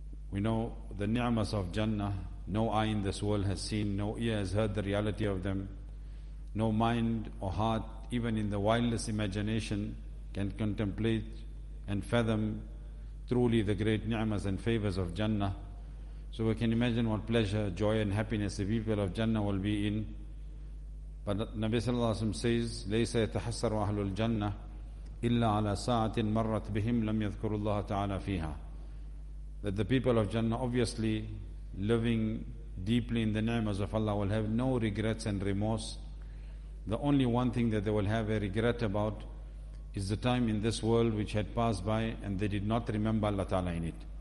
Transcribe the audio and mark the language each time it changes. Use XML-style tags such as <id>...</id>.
<en>We know the ni'mas of Jannah, no eye in this world has seen, no ear has heard the reality of them, no mind or heart, even in the wildest imagination, can contemplate and fathom truly the great ni'mas and favors of Jannah. So we can imagine what pleasure, joy and happiness the people of Jannah will be in. But Nabi sallallahu alayhi wa sallam says,</en> <ar>لَيْسَ يَتَحَسَّرُ أَهْلُ الْجَنَّةِ إِلَّا عَلَى سَاعَةٍ مَرَّتْ بِهِمْ لَمْ يَذْكُرُ اللَّهَ تَعَالَى فِيهَا.</ar> <en>That the people of Jannah, obviously living deeply in the ni'mas of Allah, will have no regrets and remorse. The only one thing that they will have a regret about is the time in this world which had passed by and they did not remember Allah Ta'ala in it.</en>